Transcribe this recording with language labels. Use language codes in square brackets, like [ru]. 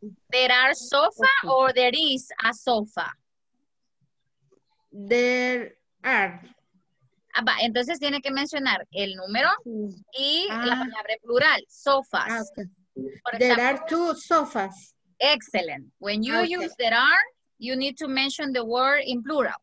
[en] There are sofa or there is a sofa. There are. [es] Ah, va, entonces tiene que mencionar el número y la palabra plural, sofas. [en] Okay. There are two sofas. Excellent. When you use there are, you need to mention the word in plural.